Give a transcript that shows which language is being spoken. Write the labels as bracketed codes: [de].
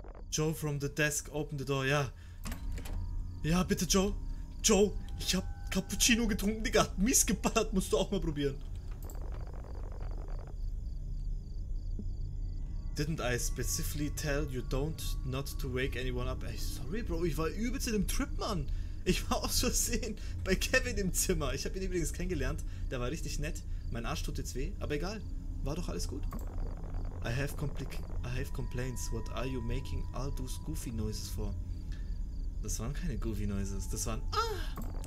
[en] Joe from the desk, open the door, [de] ja. Ja, bitte, [en] Joe. [de] Joe, ich hab Cappuccino getrunken, Digga. Hat mies geballert, musst du auch mal probieren. [en] Didn't I specifically tell you don't not to wake anyone up? [de] Ey, sorry, Bro, ich war übelst in dem Trip, Mann. Ich war aus Versehen bei Kevin im Zimmer. Ich habe ihn übrigens kennengelernt. Der war richtig nett. Mein Arsch tut jetzt weh. Aber egal. War doch alles gut. [en] I have complaints. What are you making all those goofy noises for? [de] Das waren keine goofy noises. Das waren... [en] Ah!